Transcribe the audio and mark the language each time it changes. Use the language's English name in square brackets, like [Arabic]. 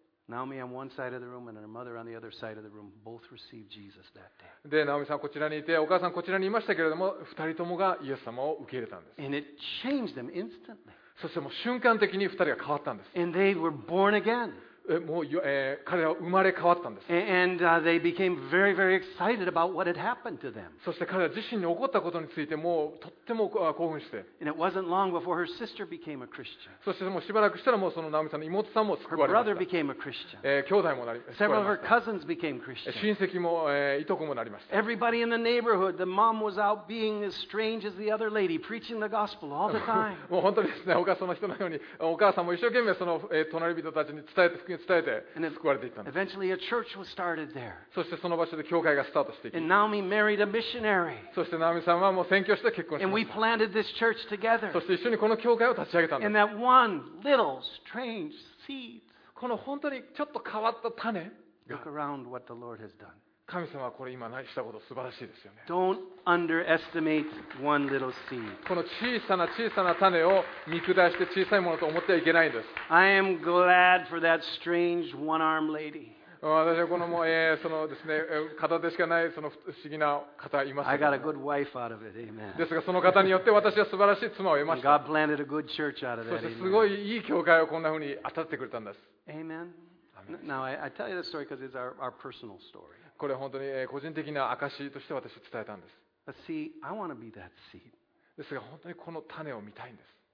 [English] Naomi on one side of the room and her mother on the other side of the room both received Jesus that day. [Japanese] で、ナオミさんこちらにいて、お母さんこちらにいましたけれども、二人ともがイエス様を受け入れたんです。 [English] And it changed them instantly. [Japanese] そしてもう瞬間的に二人が変わったんです。 [English] And they were born again. [Japanese] もう、彼らは生まれ変わったんです。 [English] And they became very, very excited about what had happened to them. [Japanese] そして彼ら自身に起こったことについてもうとっても興奮して。 [English] And it wasn't long before her sister became a Christian. [Japanese] そしてもうしばらくしたらもうそのナオミさんの妹さんも救われました。 [English] Her brother became a Christian. [Japanese] 兄弟もなりました。 [English] Several of her cousins became Christian. [Japanese] 親戚も、いとこもなりました。 [English] Everybody in the neighborhood, the mom was out being as strange as the other lady, preaching the gospel all the time. [Japanese] もう本当にですね、お母さんの人のようにお母さんも一生懸命その、隣人たちに伝えて福音伝えて救われていったんです。 [English] Eventually a church was started there. [Japanese] そしてその場所で教会がスタートしてい [English] き。And Naomi married a missionary. [Japanese] そしてナオミさんはもう宣教師と結婚しました。 [English] And we planted this church together. [Japanese] そして一緒にこの教会を立ち上げたんです。 [English] And that one little strange seed. [Japanese] この本当にちょっと変わった種が。 [English] Look around what the Lord has done. [Japanese] 神様はこれ今したこと素晴らしいですよね。 [English] Don't underestimate one little seed. [Japanese] この小さな小さな種を見下して小さいものと思ってはいけないんです。 [English] I am glad for that strange one-arm lady. [Japanese] 私はこのもう、そのですね、片手しかないその不思議な方います [English] ね。I got a good wife out of it. Amen. [Japanese] ですがその方によって私は素晴らしい妻を得ました。 [English] God planted a good church out of that. [Japanese] そしてすごいいい教会をこんな風に当たってくれたんです。 [English] Amen. Now I tell you this story because it's our personal story. [Japanese] これ本当に個人的な証として私は伝えたんです。ですが本当にこの種を見たいんです。